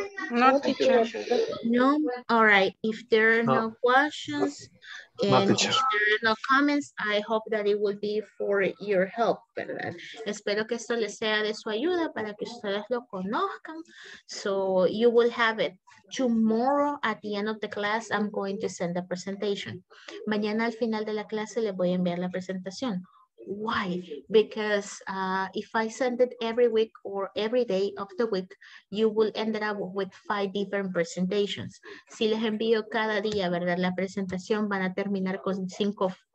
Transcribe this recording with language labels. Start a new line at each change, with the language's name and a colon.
English: No, no, all right. If there are no questions and if there are no comments, I hope that it will be for your help, ¿verdad?
Spanish: Espero que esto les sea de su ayuda para que ustedes lo conozcan.
English: So you will have it. Tomorrow at the end of the class, I'm going to send the presentation.
Spanish: Mañana al final de la clase les voy a enviar la presentación.
English: Why? Because if I send it every week or every day of the week, you will end up with 5 different presentations. Si les envío cada día, ¿verdad?, la presentación, van a terminar con 5